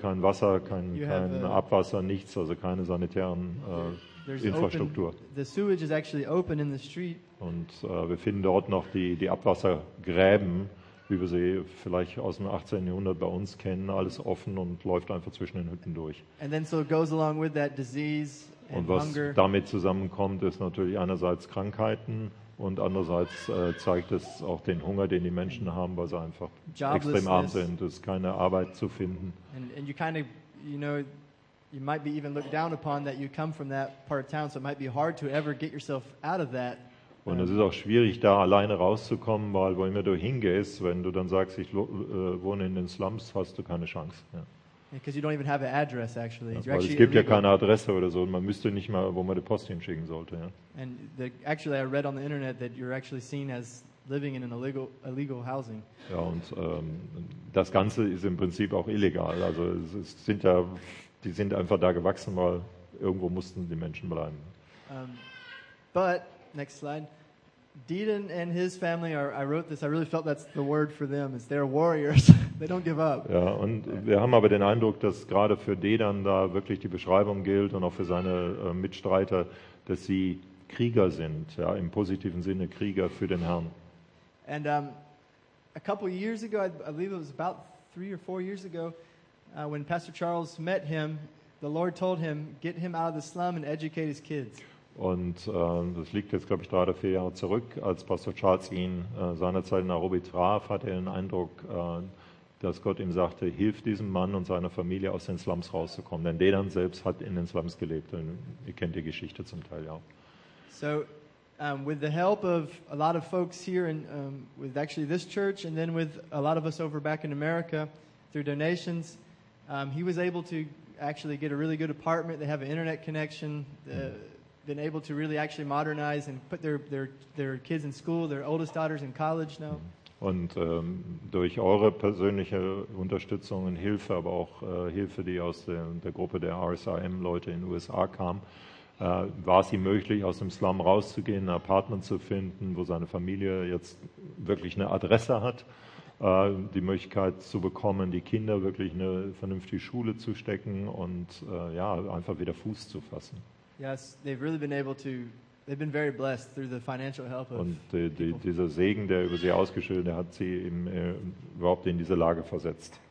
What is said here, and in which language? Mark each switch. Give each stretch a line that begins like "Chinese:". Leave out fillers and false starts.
German: Kein Wasser, kein Abwasser, nichts, also keine sanitären Infrastruktur.
English: Open, the sewage is actually open in the street.
German: Und wir finden dort noch die Abwassergräben, wie wir sie vielleicht aus dem 18. Jahrhundert bei uns kennen, alles offen und läuft einfach zwischen den Hütten durch.
English: And then so it goes along with that disease and hunger.
German: Und was damit zusammenkommt, ist natürlich einerseits Krankheiten und andererseits zeigt es auch den Hunger, den die Menschen haben, weil sie einfach extrem arm sind, es ist keine Arbeit zu finden.
English: And you kind of, you know, you might be even looked down upon that you come from that part of town, so it might be hard to ever get yourself out of that.
German: Und es ist auch schwierig, da alleine rauszukommen, weil wo immer du hingehst, wenn du dann sagst, ich wohne in den Slums, hast du keine Chance. Ja.
English: Because you don't even have an address, actually.
German: Ja, weil es gibt ja keine Adresse oder so. Man müsste nicht mal, wo man die Post hinschicken sollte. Ja.
English: And the, actually, I read on the internet that you're actually seen as living in an illegal housing.
German: Ja, und das Ganze ist im Prinzip auch illegal. Also es sind ja, die sind einfach da gewachsen, weil irgendwo mussten die Menschen bleiben.
English: But next slide. Deedon and his family are, I wrote this, I really felt that's the word for them, is they're warriors. They don't give up.
German: Ja, und wir haben aber den Eindruck, dass gerade für Deedon da wirklich die Beschreibung gilt und auch für seine Mitstreiter, dass sie Krieger sind, ja, im positiven Sinne Krieger für den Herrn.
English: And a couple years ago, I believe it was about 3 or 4 years ago, when Pastor Charles met him, the Lord told him, get him out of the slum and educate his kids.
German: Und das liegt jetzt, glaube ich, 3 oder 4 Jahre zurück. Als Pastor Charles ihn seinerzeit in Nairobi traf, hat er den Eindruck, dass Gott ihm sagte, hilf diesem Mann und seiner Familie aus den Slums rauszukommen. Denn der dann selbst hat in den Slums gelebt. Und ihr kennt die Geschichte zum Teil ja auch.
English: So, with the help of a lot of folks here, and with actually this church, and then with a lot of us over back in America, through donations, he was able to actually get a really good apartment. They have an internet connection. Been able to really actually modernize and put their kids in school, their oldest daughters in college now.
German: Und durch eure persönliche Unterstützung und Hilfe, aber auch Hilfe, die aus der Gruppe der RSIM-Leute in den USA kam, war es ihm möglich, aus dem Slum rauszugehen, ein Apartment zu finden, wo seine Familie jetzt wirklich eine Adresse hat, die Möglichkeit zu bekommen, die Kinder wirklich eine vernünftige Schule zu stecken und ja, einfach wieder Fuß zu fassen.
English: Yes, they've really been able to, they've been very blessed through the financial help of
German: und dieser Segen, der über sie ausgeschüttet hat, sie eben überhaupt in diese Lage versetzt.